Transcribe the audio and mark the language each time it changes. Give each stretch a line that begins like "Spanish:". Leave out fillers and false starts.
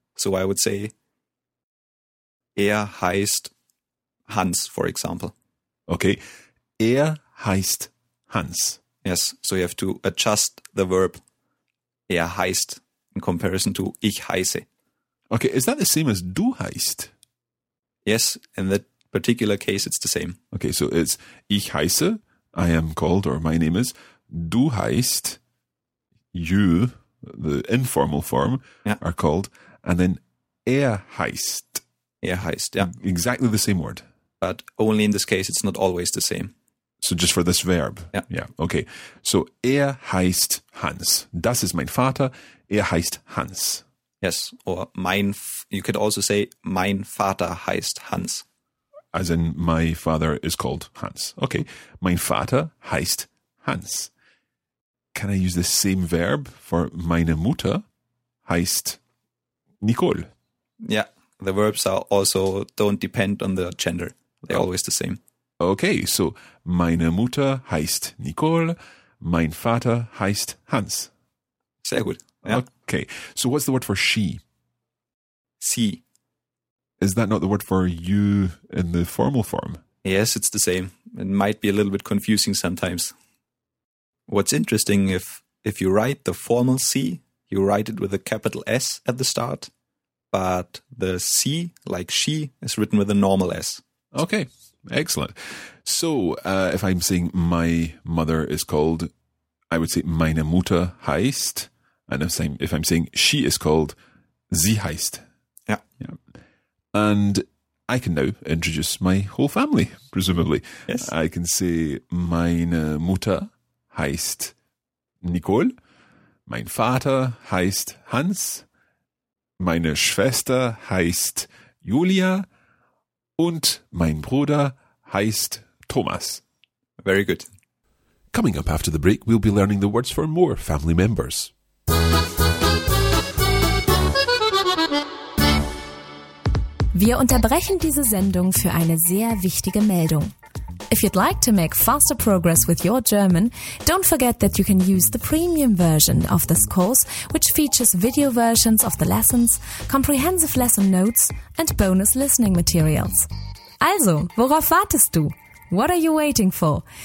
English: So I would say,
German: heißt Hans,
English: for example.
German: Okay, heißt Hans.
English: Yes, so you have to adjust the verb heißt in comparison to
German: ich heiße.
English: Okay, is that the same as
German: du heißt?
English: Yes, in that particular case it's the same. Okay, so it's
German: ich heiße,
English: I am called, or my name is,
German: du heißt...
English: You, the informal form, yeah, are called. And then heißt. Heißt, yeah. Exactly the same word. But only in this case, it's not always the same. So just for this verb? Yeah. Yeah, okay. So
German: er heißt Hans. Das ist mein Vater. Er heißt Hans.
English: Yes, or mein, you could also say
German: mein Vater heißt Hans.
English: As in my father is called Hans.
German: Okay, mein Vater heißt Hans.
English: Can I use the same verb for
German: meine Mutter heißt Nicole?
English: Yeah, the verbs are also don't depend on the gender. They're always the same. Okay, so
German: meine Mutter heißt Nicole, mein Vater heißt Hans. Sehr gut. Yeah.
English: Okay, so what's the word for she?
German: Sie.
English: Is that not the word for you in the formal form? Yes, it's the same. It might be a little bit confusing sometimes. What's interesting, if you write the formal C, you write it with a capital S at the start, but the C, like she, is written with a normal S. Okay, excellent. So if I'm saying my mother is called, I would say
German: meine Mutter heißt,
English: and if I'm saying she is called,
German: sie heißt.
English: Yeah. Yeah. And I can now introduce my whole family, presumably. Yes. I can say
German: meine Mutter heißt Nicole, mein Vater heißt Hans, meine Schwester heißt Julia und mein Bruder heißt Thomas.
English: Very good. Coming up after the break, we'll be learning the words for more family members.
German: Wir unterbrechen diese Sendung für eine sehr wichtige Meldung.
English: If you'd like to make faster progress with your German, don't forget that you can use the premium version of this course, which features video versions of the lessons, comprehensive lesson notes and bonus listening materials.
German: Also, worauf wartest du?
English: What are you waiting for?